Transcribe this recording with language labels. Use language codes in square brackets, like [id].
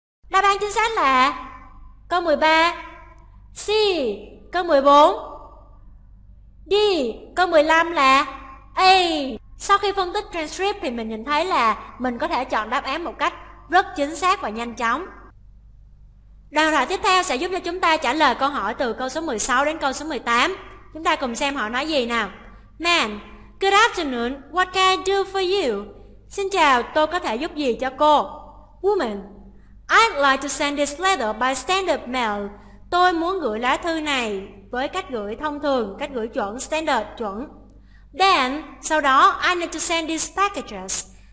[vi] Đáp án chính xác là câu 13, C, câu 14, D, câu 15 là A. Sau khi phân tích transcript thì mình nhìn thấy là mình có thể chọn đáp án một cách rất chính xác và nhanh chóng. Đoạn thoại tiếp theo sẽ giúp cho chúng ta trả lời câu hỏi từ câu số 16 đến câu số 18. Chúng ta cùng xem họ nói gì nào. [en] Man, good afternoon, what can I do for you? [vi] Xin chào, tôi có thể giúp gì cho cô? [en] Woman, I'd like to send this letter by standard mail. [vi] Tôi muốn gửi lá thư này với cách gửi thông thường, cách gửi chuẩn, standard, chuẩn. [en] Then, [vi] sau đó, [en] I need to send these packages.